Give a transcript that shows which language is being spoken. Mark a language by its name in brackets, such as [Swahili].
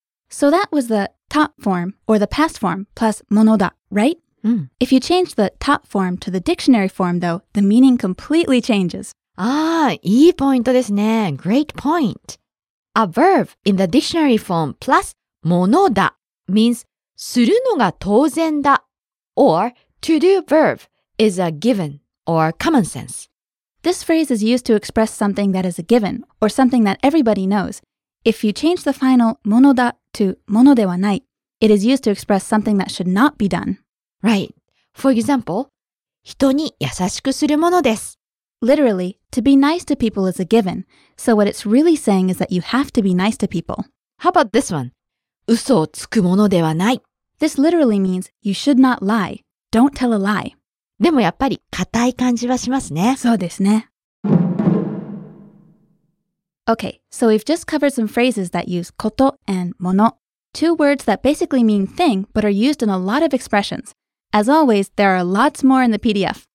[English] So that was the ta form, or the past form, plus mono da, right? Mm. If you change the ta form to the dictionary form, though, the meaning completely changes. [Japanese] Ah, いいポイントですね。 [English] Great point. A verb in the dictionary form plus mono da means [Japanese] するのが当然だ, [English] or to do verb is a given or common sense. This phrase is used to express something that is a given, or something that everybody knows. If you change the final mono da to mono ではない, it is used to express something that should not be done. Right. For example, [Japanese] 人に優しくするものです. [English] Literally, to be nice to people is a given. So what it's really saying is that you have to be nice to people. How about this one? [Japanese] 嘘をつくものではない. [English] This literally means you should not lie. Don't tell a lie. [Japanese] でもやっぱり硬い感じはしますね. そうですね。 [English] Okay, so we've just covered some phrases that use koto and mono, two words that basically mean thing, but are used in a lot of expressions. As always, there are lots more in the PDF.